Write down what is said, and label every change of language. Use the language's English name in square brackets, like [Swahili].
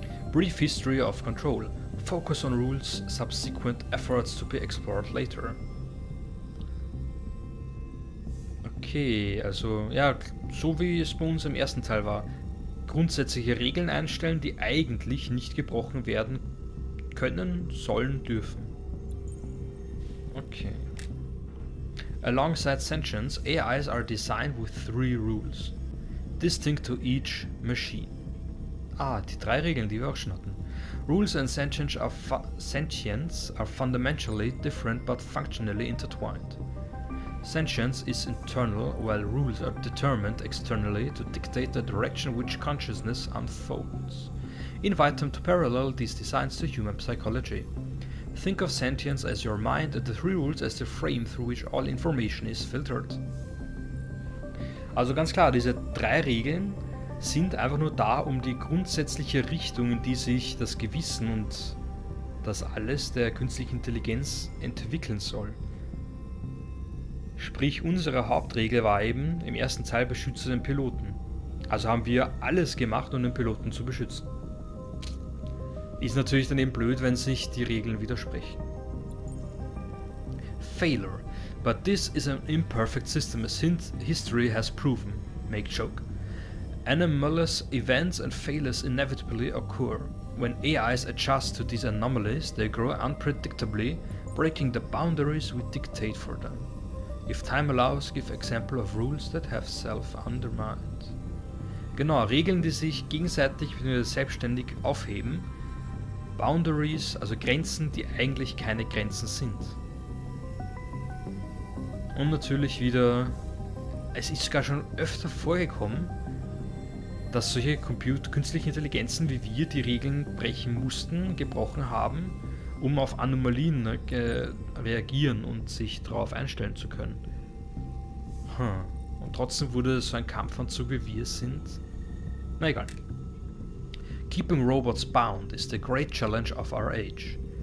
[English] Brief History of Control. Focus on rules, subsequent efforts to be explored later. [German] Okay, also ja, so wie es bei uns im ersten Teil war. Grundsätzliche Regeln einstellen, die eigentlich nicht gebrochen werden können, sollen, dürfen. Okay. [English] Alongside sentience, AIs are designed with three rules. Distinct to each machine. [German] Ah, die drei Regeln, die wir auch schon hatten. [English] Rules and sentience are fundamentally different but functionally intertwined. Sentience is internal, while rules are determined externally to dictate the direction which consciousness unfolds. Invite them to parallel these designs to human psychology. Think of sentience as your mind and the three rules as the frame through which all information is filtered. [German] Also ganz klar, diese drei Regeln sind einfach nur da, um die grundsätzliche Richtung, in die sich das Gewissen und das alles der künstlichen Intelligenz entwickeln soll. Sprich, unsere Hauptregel war eben, im ersten Teil beschütze den Piloten. Also haben wir alles gemacht, um den Piloten zu beschützen. Ist natürlich dann eben blöd, wenn sich die Regeln widersprechen. [English] Failure. But this is an imperfect system, as history has proven. Make joke. Anomalous events and failures inevitably occur. When AIs adjust to these anomalies, they grow unpredictably, breaking the boundaries we dictate for them. If time allows, give example of rules that have self-undermined. [German] Genau, Regeln, die sich gegenseitig bzw. selbstständig aufheben. Boundaries, also Grenzen, die eigentlich keine Grenzen sind. Und natürlich wieder, es ist sogar schon öfter vorgekommen, dass solche künstliche Intelligenzen wie wir die Regeln brechen mussten, gebrochen haben, um auf Anomalien reagieren und sich darauf einstellen zu können. Und trotzdem wurde so ein Kampfanzug, wie wir sind. Na egal. [English] Keeping robots bound is the great challenge of our age.